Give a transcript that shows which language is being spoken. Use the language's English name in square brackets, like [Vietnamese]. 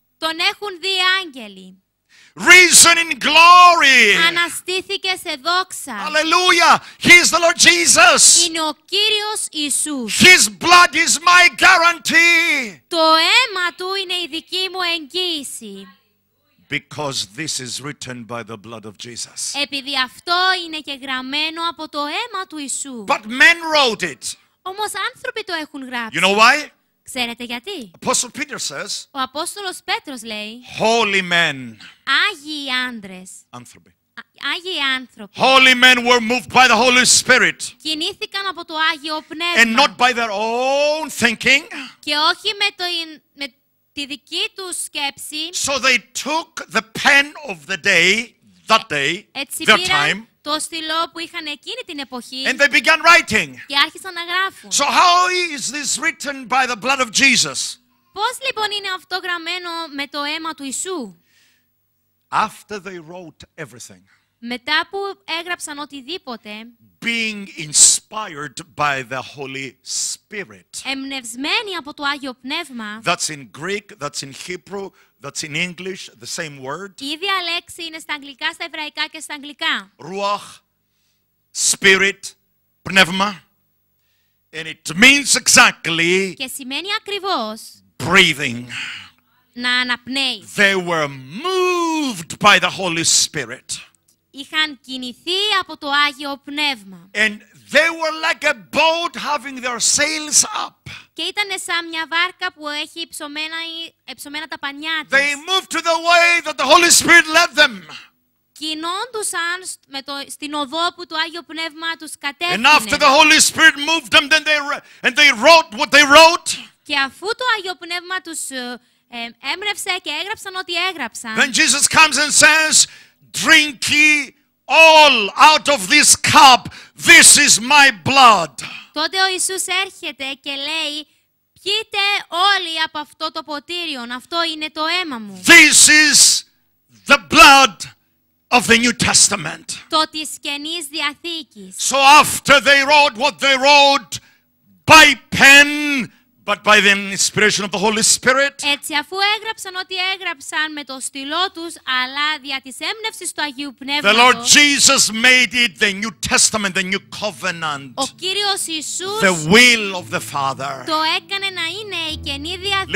[Greek] Τον έχουν δει άγγελοι. [English] Risen in glory. [Greek] Αναστήθηκε σε δόξα. [English] Hallelujah. He is the Lord Jesus. [Greek] Είναι ο Κύριος Ιησούς. [English] His blood is my guarantee. [Greek] Το αίμα του είναι η δική μου εγγύηση. [English] Because this is written by the blood of Jesus. [Greek] Επειδή αυτό είναι και γραμμένο από το αίμα του Ιησού. [English] But men wrote it. [Greek] Όμως άνθρωποι το έχουν γράψει. [English] You know why? [Greek] Ξέρετε γιατί? [English] Apostle Peter says, [Greek] ο Απόστολος Πέτρος λέει, [English] holy men. [Greek] Άγιοι άνδρες. Άνθρωποι. Άγιοι άνθρωποι. [English] Holy men were moved by the Holy Spirit. [Greek] Κινήθηκαν από το Άγιο Πνεύμα. [English] And not by their own thinking. [Greek] Και όχι με τη δική του σκέψη. [English] So they took the pen of the day, that day, their time. [Greek] Το στυλό που είχαν εκείνη την εποχή. [English] And they began writing. [Greek] Και άρχισαν να γράφουν. [English] So how is this written by the blood of Jesus? [Greek] Πώς λοιπόν είναι αυτό γραμμένο με το αίμα του Ιησού? [English] After they wrote everything. [Greek] Μετά που έγραψαν οτιδήποτε. [English] Being inspired by the Holy Spirit. [Greek] Εμπνευσμένοι από το Άγιο Πνεύμα. [English] That's in Greek, that's in Hebrew, that's in English, the same word. [Greek] Η ίδια λέξη είναι στα αγγλικά, στα εβραϊκά και στα αγγλικά. [English] Ruach, Spirit, Πνεύμα. And it means exactly. [Greek] Και σημαίνει ακριβώς. [English] Breathing. [Greek] Να αναπνέει. [English] They were moved by the Holy Spirit. [Greek] Είχαν κινηθεί από το Άγιο Πνεύμα. [English] And they were like a boat having their sails up. [Greek] Και ήταν σαν μια βάρκα που έχει υψωμένα τα πανιά της. [English] They moved to the way that the Holy Spirit led them. [Greek] Κινόντουσαν στην οδό που το Άγιο Πνεύμα τους κατέφυγε. [English] And after the Holy Spirit moved them, then they wrote what they wrote. [Greek] Και αφού το Άγιο Πνεύμα τους έμπνευσε και έγραψαν ό,τι έγραψαν. [English] Then Jesus comes and says, drink ye all out of this cup. This is my blood. [Greek] Τότε ο Ιησούς έρχεται και λέει, πιείτε όλοι από αυτό το ποτήριον. Αυτό είναι το αίμα μου. [English] This is the blood of the New Testament. [Greek] Το της Καινής Διαθήκης. [English] So after they wrote what they wrote by pen, but by the inspiration of the Holy Spirit. [Greek] Έτσι αφού έγραψαν ό,τι έγραψαν με το στυλό τους, αλλά δια της έμπνευσης του Αγίου Πνεύματος. [English] The Lord Jesus made it the New Testament, the New Covenant. [Greek] Ο Κύριος Ιησούς. [English] The will of the Father. [Greek] Το έκανε να είναι η Καινή Διαθήκη.